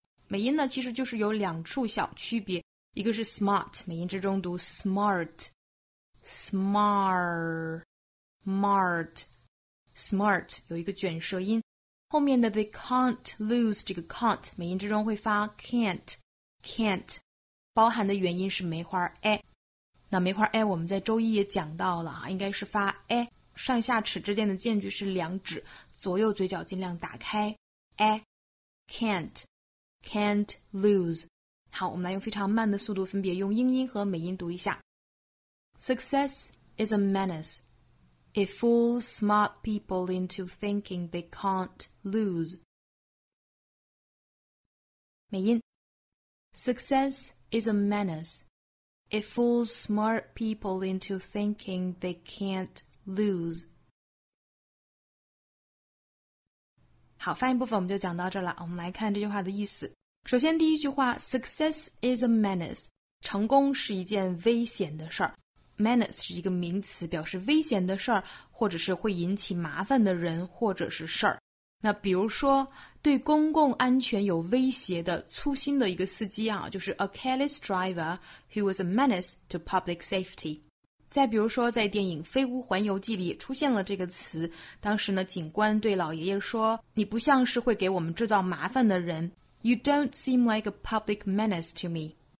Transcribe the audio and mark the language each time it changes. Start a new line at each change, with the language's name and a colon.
Chinese: 美音呢其实就是有两处小区别，一个是 smart, 美音之中读
English: smart, smart,smart, smart,
Chinese: 有一个卷舌音，后面的
English: they can't lose,
Chinese: 这个 can't, 美音之中会发
English: can't, can't,
Chinese: 包含的元音是梅花 a, 那梅花 a 我们在周一也讲到了，应该是发 a, 上下齿之间的间距是两指，左右嘴角尽量打开 a, can't,
English: can't lose.
Chinese: 好，我们来用非常慢的速度分别用英音和美音读一下。
English: Success is a menace. It fools smart people into thinking they can't lose.
Chinese: 美音。
English: Success is a menace. It fools smart people into thinking they can't lose.
Chinese: 好，翻译部分我们就讲到这儿了。我们来看这句话的意思。首先第一句话 ,
English: success is a menace,
Chinese: 成功是一件危险的事儿。 menace 是一个名词，表示危险的事儿，或者是会引起麻烦的人或者是事儿。那比如说对公共安全有威胁的粗心的一个司机啊，就是
English: a careless driver who was a menace to public safety。
Chinese: 再比如说在电影《飞屋环游记》里出现了这个词，当时呢警官对老爷爷说，你不像是会给我们制造麻烦的人。
English: You don't seem like a public menace to me.